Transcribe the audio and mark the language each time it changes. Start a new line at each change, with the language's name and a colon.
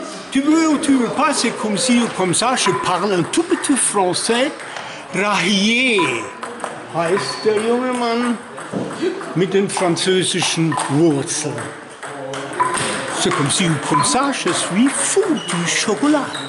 French: Tu veux ou tu veux pas, c'est comme si ou comme ça, je parle un tout petit français.
German: Rahier heißt der junge Mann mit den französischen Wurzeln.
French: C'est comme si ou comme ça, je suis fou du chocolat.